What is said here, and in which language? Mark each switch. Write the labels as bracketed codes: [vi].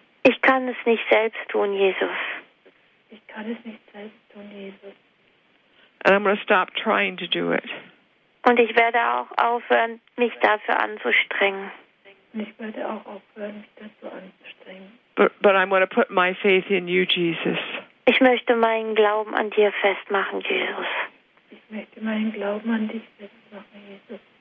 [de] Ich kann es nicht selbst tun, Jesus. Ich kann es nicht selbst tun, Jesus. [en] And I'm going to stop trying to do it. [de] Und ich werde auch aufhören, mich dafür anzustrengen. Ich werde auch aufhören, mich dazu anzustrengen. [en] But I'm going to put my faith in you, Jesus. [de] Ich möchte meinen Glauben an dir festmachen, Jesus. Ich möchte meinen Glauben an dich festmachen, Jesus.